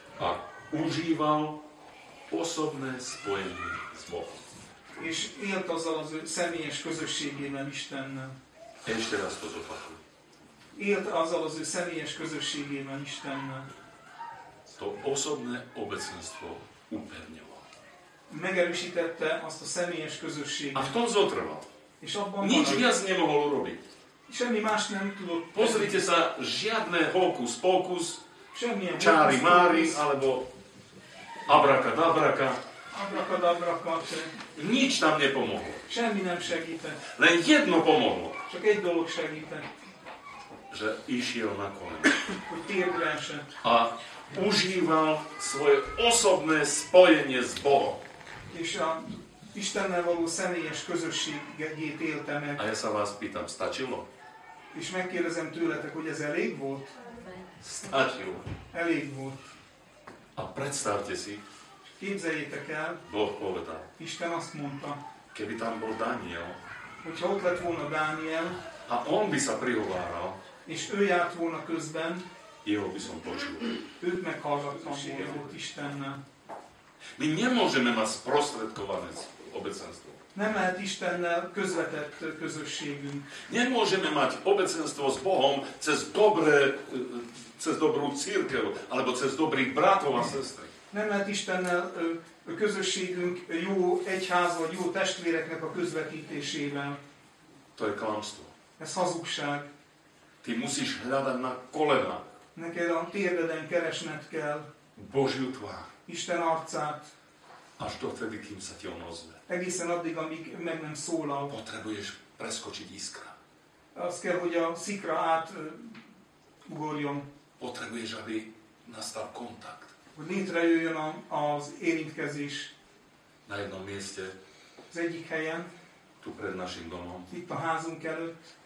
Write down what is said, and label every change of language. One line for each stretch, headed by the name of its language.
Slovak: A užíval osobné spojenie s Bohom.
Hungarian: És élt azzal az személyes közösségében Istennel.
Slovak: Ešte raz to zopakuj.
Hungarian: Élt azzal az személyes közösségében Istennel.
Slovak: To osobné obecenstvo upevňoval.
Hungarian: Megerősítette azt a személyes közösséget.
Slovak: A v tom zotrval.
Hungarian: És abban
Slovak: nič viac nemohol urobiť.
Hungarian: Semmi más nem tudott.
Slovak: Pozrite sa, žiadne hokus pokus,
Hungarian: semmilyen
Slovak: čári mári, alebo abrakadabraka. Abrakadabraka. Nič tam nepomohlo.
Hungarian: Semmi nem segíte.
Slovak: Len jedno pomohlo.
Hungarian: Csak egy dolog segíte.
Slovak: Že išiel na kolen.
Hungarian: Hogy térdre esett.
Slovak: A užíval svoje osobné spojenie s Bohom.
Hungarian: És a Istennel való személyes közösségét élte meg.
Slovak: A ja sa vás pýtam, stačilo?
Hungarian: És megkérdezem tőletek, hogy ez elég volt?
Slovak: Stačilo.
Hungarian: Elég volt.
Slovak: A predstavte si.
Hungarian: Képzeljétek el.
Slovak: Boh povedal.
Hungarian: Isten azt mondta.
Slovak: Keby tam bol Daniel.
Hungarian: Hogyha ott lett volna Daniel.
Slovak: A on by sa prihováral.
Hungarian: És ő járt volna közben.
Slovak: Jeho by som počul.
Hungarian: Őt meghallgattam volna Istennel.
Slovak: My nemôžeme mať sprostredkované obecenstvo.
Hungarian: Nem lehet Istennel közvetett közösségünk.
Slovak: Nemôžeme mať obecenstvo s Bohom cez dobrú cirkev, alebo cez dobrých bratov a sestry.
Hungarian: Nem lehet Istennel közösségünk jó egyház, vagy jó testvéreknek a közvetítésével.
Slovak: To je klamstvo.
Hungarian: Ez hazugság.
Slovak: Ty musíš hľadať na kolena.
Hungarian: Neked a térdeden keresned kell.
Slovak: Božiu tvár.
Hungarian: Isten arcát.
Slovak: Až do tedy, kým sa ti on ozve.
Hungarian: Egészen addig, amíg meg nem szólal.
Slovak: Potrebuješ preskočiť iskra.
Hungarian: Azt kell, hogy a szikra át ugorjon.
Slovak: Potrebuješ, aby nastal kontakt.
Hungarian: Hogy létrejöjjön az érintkezés.
Slovak: Na jednom mieste.
Hungarian: Az egyik helyen.
Slovak: Tu pred našim domom.
Hungarian: Itt a házunk előtt.